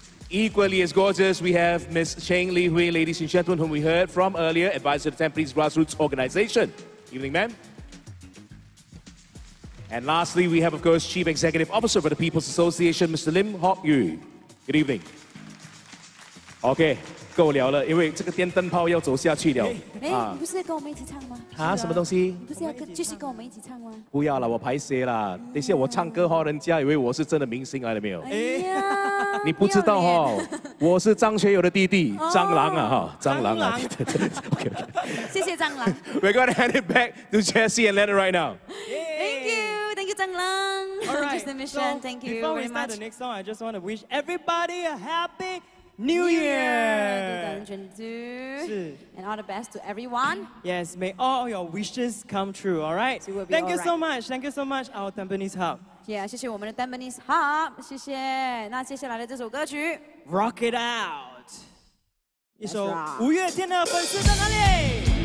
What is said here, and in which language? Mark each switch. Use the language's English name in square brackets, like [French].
[English] Equally as gorgeous, we have Ms. Cheng Li Hui, ladies and gentlemen, whom we heard from earlier, Advisor to Tampines Grassroots Organization. Evening, ma'am. And lastly, we have, of course, Chief Executive Officer for the People's Association, Mr. Lim Hock Yu. Good evening. [Chinese] Okay, 够了了，因为这个电灯泡要走下去了。哎，不是在跟我们一起唱吗？啊，什么东西？你不是要继续跟我们一起唱吗？不要了，我排泄了。等一下我唱歌，人家以为我是真的明星来了没有？哎呀，你不知道哈，我是张学友的弟弟，蟑螂啊哈，蟑螂。谢谢蟑螂。 [English] We're gonna hand it back to Jesse and Leonard right now. Thank you, Zhang Lang. All right, the mission. Thank you. Before we start the next song, I just want to wish everybody a happy New Year! 2022. And all the best to everyone. Yes, may all your wishes come true, all right? Thank you so much. Thank you so much, our Tampines Hub. [Chinese] Yeah, 谢谢我们的 Tampines Hub. 谢谢。那接下来的这首歌曲, [English] Rock It Out. [Chinese] 一首五月天的粉丝在哪里?